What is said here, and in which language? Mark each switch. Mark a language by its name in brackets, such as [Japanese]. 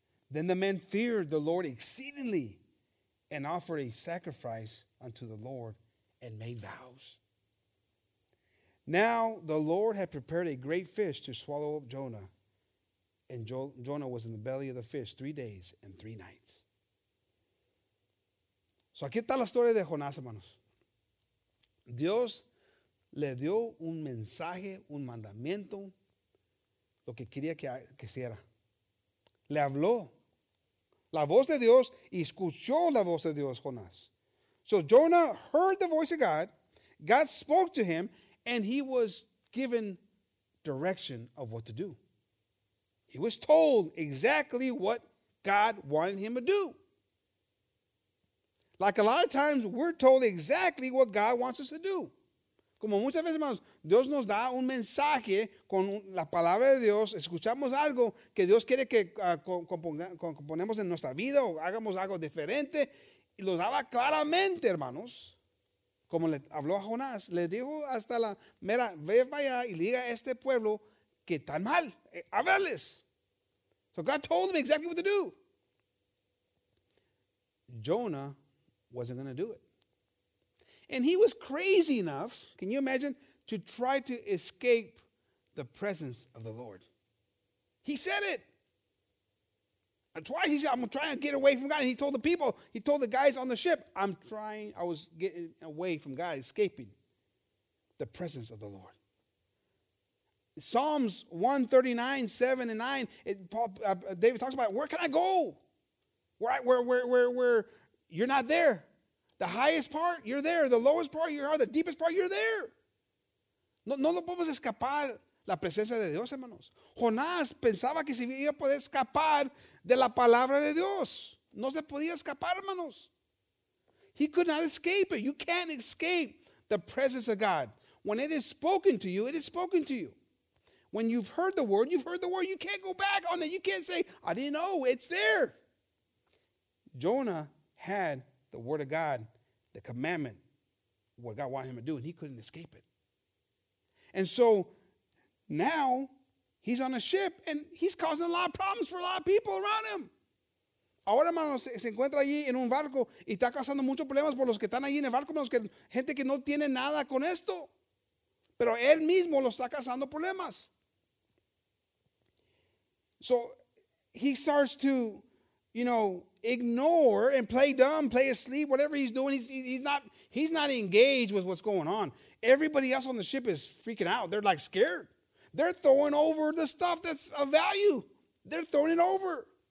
[English] Then the men feared the Lord exceedingly and offered a sacrifice unto the Lord and made vows. Now the Lord had prepared a great fish to swallow up Jonah, and Jonah was in the belly of the fish 3 days and 3 nights. [Spanish] So aquí está la historia de Jonás, hermanos. Dios le dio un mensaje, un mandamiento, lo que quería que hiciera. Le habló la voz de Dios y escuchó la voz de Dios, Jonás. [English] So Jonah heard the voice of God. God spoke to him, and he was given direction of what to do. He was told exactly what God wanted him to do. Like a lot of times, we're told exactly what God wants us to do. [Spanish] Como muchas veces, hermanos, Dios nos da un mensaje con la palabra de Dios. Escuchamos algo que Dios quiere que componemos en nuestra vida o hagamos algo diferente. Y lo daba claramente, hermanos. Como le habló a Jonás, le dijo hasta la mera, ve para allá y diga a este pueblo que tan mal, a verles. [English] So God told him exactly what to do. Jonah wasn't going to do it. And he was crazy enough, can you imagine, to try to escape the presence of the Lord. He said it. And twice he said, I'm trying to get away from God. And he told the people, he told the guys on the ship, I was getting away from God, escaping the presence of the Lord. Psalms 139:7-9, David talks about, where can I go? Where you're not there. The highest part, you're there. The lowest part, you are. The deepest part, you're there. [Spanish] No lo podemos escapar la presencia de Dios, hermanos. Jonás pensaba que se iba a poder escapar de la palabra de Dios. No se podía escapar, hermanos. [English] He could not escape it. You can't escape the presence of God. When it is spoken to you, it is spoken to you. When you've heard the word, you've heard the word. You can't go back on it. You can't say, I didn't know. It's there. Jonah had the word of God, the commandment, what God wanted him to do, and he couldn't escape it. And so now he's on a ship, and he's causing a lot of problems for a lot of people around him. [Spanish] Ahora, hermano, se encuentra allí en un barco y está causando muchos problemas por los que están allí en el barco, los que gente que no tiene nada con esto. Pero él mismo lo está causando problemas. [English] So he starts to, you know, ignore and play dumb, play asleep, whatever he's doing. He's not engaged with what's going on. Everybody else on the ship is freaking out. They're like scared. They're throwing over the stuff that's of value. They're throwing it over.